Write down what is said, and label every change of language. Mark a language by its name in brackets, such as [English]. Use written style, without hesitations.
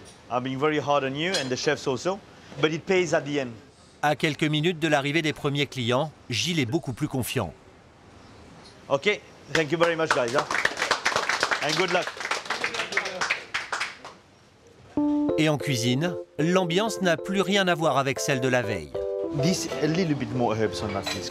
[English] I've been very hard on you and the chefs also, but it pays at the end. [French] À quelques minutes de l'arrivée des premiers clients, Gilles est beaucoup plus confiant. [English] OK. Thank you very much, guys. And good luck. [French] Et en cuisine, l'ambiance n'a plus rien à voir avec celle de la veille. [English] This a little bit more herbs on that, please.